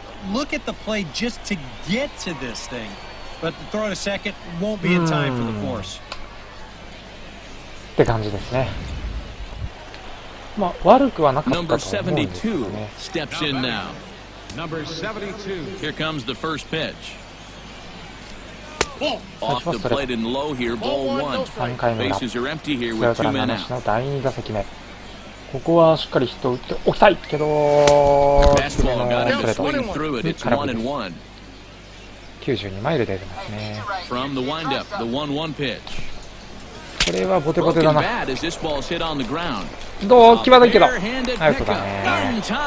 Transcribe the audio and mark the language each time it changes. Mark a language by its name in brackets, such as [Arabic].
[English] Look at the play just to get to this thing, but throw a second won't be in time for the force. [Japanese] って感じですね。まあ悪くはなかったと思うんですけどね。 [English] Number 72. Here comes the first pitch. Off the plate and low here, ball one. Bases are empty here with two men out. [Japanese] の第2打席目。ここはしっかりヒット打っておきたいけど、爪のストレート。 [English] It's one and one. [Japanese] 92マイル出てますね。 [English] From the windup, the 1-1 pitch. [Japanese] これはボテボテだな。どう際どいけど、アウトだね。